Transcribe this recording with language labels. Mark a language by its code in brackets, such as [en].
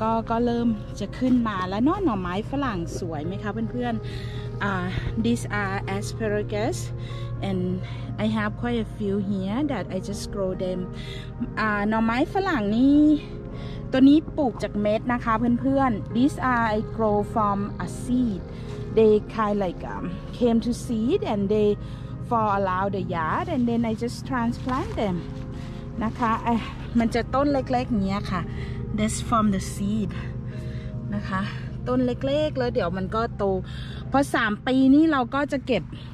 [th] ก็เริ่มจะขึ้นมาแล้วเนาะหน่อไม้ฝรั่งสวยไหมคะเพื่อนๆ [en] these are asparagus and I have quite a few here that I just grow them [th] หน่อไม้ฝรั่งนี่ตัวนี้ปลูกจากเม็ดนะคะเพื่อนๆ [en] These are I grow from a seed. They kind like came to seed and they fall around the yard and then I just transplant them. [th] นะคะมันจะต้นเล็กๆอย่างเงี้ยค่ะ [en] That's from the seed. [th] นะคะต้นเล็กๆแล้วเดี๋ยวมันก็โตพอ3ปีนี้เราก็จะเก็บ